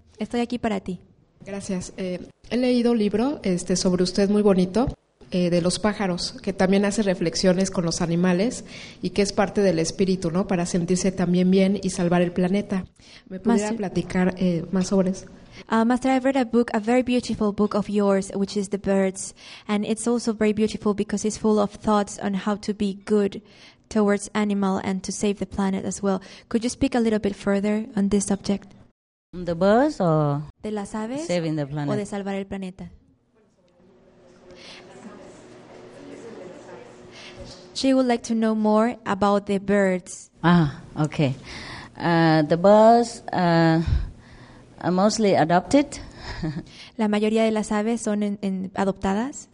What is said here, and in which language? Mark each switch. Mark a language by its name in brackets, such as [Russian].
[Spanish] Estoy aquí para ti. Gracias. He leído un libro sobre usted muy bonito, de los pájaros, que también hace reflexiones con los animales y que es parte del espíritu, ¿no? Para sentirse también bien y salvar el planeta. ¿Me pudiera platicar más sobre eso? [English] Master, I've read a book, a very beautiful book of yours, which is The Birds, and it's also very beautiful because it's full of thoughts on how to be good towards animal and to save the planet as well. Could you speak a little bit further on this subject? The birds or [Spanish] de las aves, [English] saving the planet? [Spanish] O de salvar el planeta. [English] She would like to know more about the birds. Ah, okay. The birds are mostly adopted. [Spanish] La mayoría de las aves son adoptadas.